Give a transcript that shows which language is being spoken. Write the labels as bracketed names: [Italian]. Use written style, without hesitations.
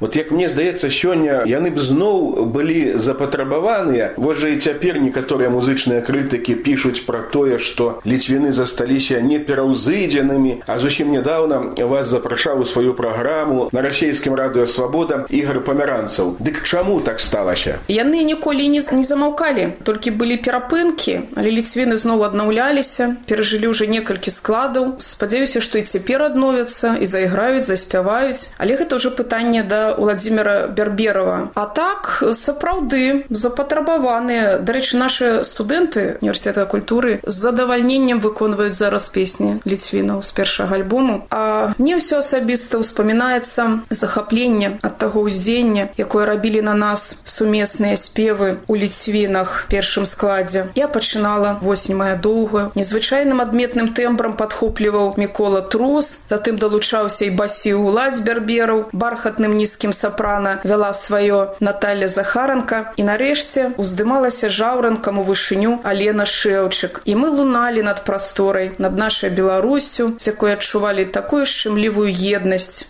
[Belarusian] Вот, як мне здаецца, сёння яны б зноў былі запатрабаваныя. [Russian] Вот же и теперь некоторые музычные критики пишут про то, что литвины [Belarusian] засталіся непераўзыдзенымі. [Russian] А [Belarusian] зусім [Russian] недавно вас [Belarusian] запрашаў у [Russian] свою программу на российском радио «Свобода» Игорь Померанцев. [Belarusian] Дык чаму так сталася? Яны ніколі не замаўкалі, толькі былі перапынкі, але литвины знову аднаўляліся, пережылі уже некалькі складаў. Спадзяюся, што і цяпер адновяцца, і зайграюць, заспяваюць. Але гэта уже пытанне да Владимира Берберова. А так, сапраўды, запатрабаваныя. Дарэчы, наши студэнты Універсітэта культуры з задавальненнем выконваюць зараз песні литвинаў з першага альбому. А мне ўсё асабіста успамінаецца захапленне ад таго ўздзеяння, якое рабілі на нас сумесныя спевы ў литвинах в першым складзе. Я пачынала восень мая доўгая. Незвычайным адметным тэмбрам падхопліваў Мікола Трус, затым далучаўся і басіў Уладзь Берберов, бархатным нізкім сапрана вяла сваё Наталя Захаранка і нарэшце уздымалася жаўранкам у вышыню Алена Шэўчык. І мы луналі над прасторай, над нашай Беларусю, з якой адчувалі такую шчымлівую єднасць.